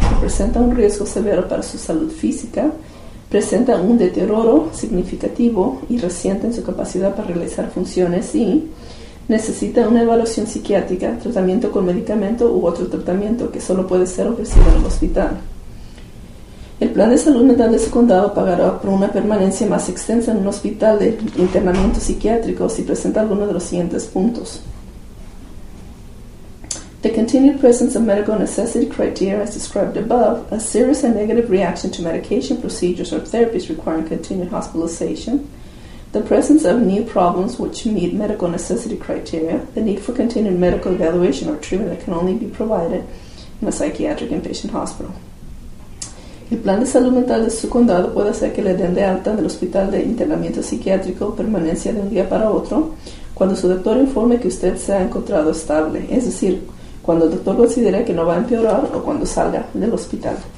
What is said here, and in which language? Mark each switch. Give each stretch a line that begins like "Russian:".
Spanish: Representa un riesgo severo para su salud física. Presenta un deterioro significativo y reciente en su capacidad para realizar funciones y necesita una evaluación psiquiátrica, tratamiento con medicamento u otro tratamiento que solo puede ser ofrecido en el hospital. El plan de salud mental de su condado pagará por una permanencia más extensa en un hospital de internamiento psiquiátrico si presenta alguno de los siguientes puntos.
English: The continued presence of medical necessity criteria as described above, a serious and negative reaction to medication procedures or therapies requiring continued hospitalization, the presence of new problems which meet medical necessity criteria, the need for continued medical evaluation or treatment that can only be provided in a psychiatric inpatient hospital.
Spanish: El plan de salud mental de su condado puede hacer que le den de alta del hospital de internamiento psiquiátrico permanencia de un día para otro cuando su doctor informe que usted se ha encontrado estable, es decir, cuando el doctor considere que no va a empeorar o cuando salga del hospital.